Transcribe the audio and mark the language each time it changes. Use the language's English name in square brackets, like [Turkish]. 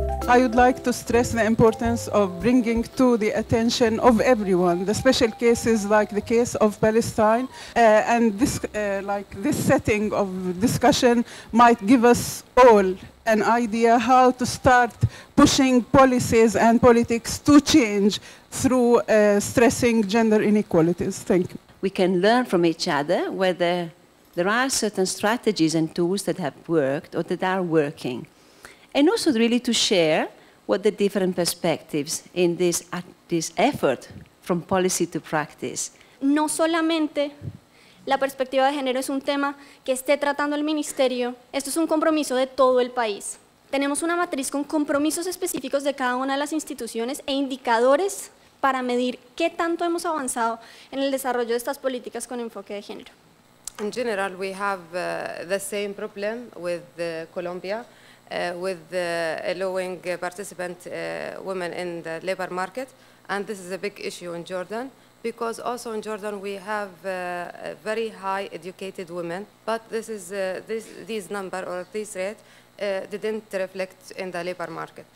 [English] I would like to stress the importance of bringing to the attention of everyone the special cases like the case of Palestine, and this like this setting of discussion might give us all an idea how to start pushing policies and politics to change through stressing gender inequalities. Thank you. We can learn from each other whether there are certain strategies and tools that have worked or that are working, and also really to share what the different perspectives in this effort from policy to practice. [Spanish] No solamente la perspectiva de género es un tema que esté tratando el ministerio, esto es un compromiso de todo el país. Tenemos una matriz con compromisos específicos de cada una de las instituciones e indicadores para medir qué tanto hemos avanzado en el desarrollo de estas políticas con enfoque de género. [English] In general, we have the same problem with Colombia. With allowing participant women in the labor market. And this is a big issue in Jordan, because also in Jordan we have very high educated women, but this is these number or this rate didn't reflect in the labor market.